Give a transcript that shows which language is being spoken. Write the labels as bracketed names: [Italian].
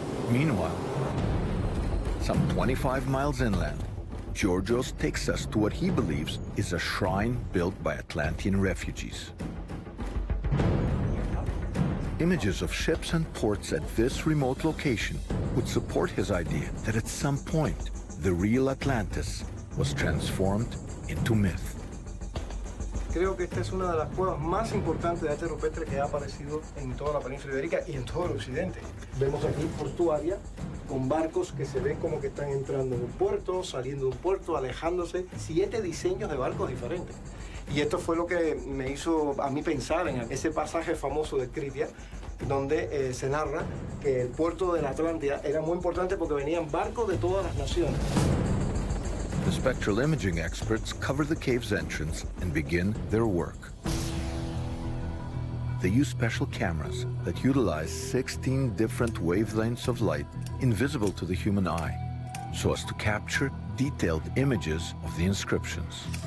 [English] Meanwhile, some 25 miles inland, Georgios takes us to what he believes is a shrine built by Atlantean refugees. Images of ships and ports at this remote location would support his idea that at some point, the real Atlantis was transformed into myth. [Spanish] Creo que esta es una de las cuevas más importantes de arte rupestre que ha aparecido en toda la península ibérica y en todo el occidente. Vemos aquí portuaria, con barcos que se ven como que están entrando en un puerto, saliendo de un puerto, alejándose. 7 diseños de barcos diferentes. Y esto fue lo que me hizo a mí pensar en ese pasaje famoso de Critias, donde se narra que el puerto de la Atlántida era muy importante porque venían barcos de todas las naciones. [English] The spectral imaging experts cover the cave's entrance and begin their work. They use special cameras that utilize 16 different wavelengths of light invisible to the human eye so as to capture detailed images of the inscriptions.